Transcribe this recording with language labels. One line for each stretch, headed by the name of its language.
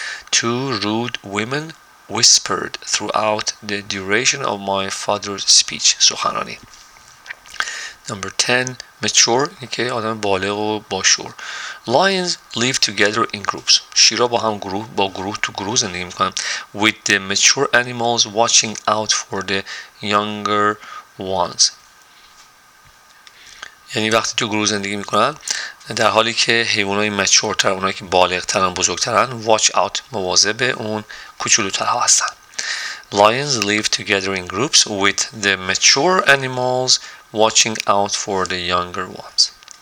English: Two rude women whispered throughout the duration of my father's speech. سخنرانی. Number 10. Mature.
Persian: این که آدم بالغ و باشور.
English: Lions live together in groups.
Persian: شیرا با هم گروه با گروه تو گروه زندگی میکنن.
English: With the mature animals watching out for the younger ones.
Persian: یعنی وقتی تو گروه زندگی میکنن در حالی که حیوان های مچور تر اونایی که بالغ ترن بزرگ ترن
English: watch out
Persian: مواظب اون کوچولو ترها هستن.
English: Lions live together in groups with the mature animals watching out for the younger ones.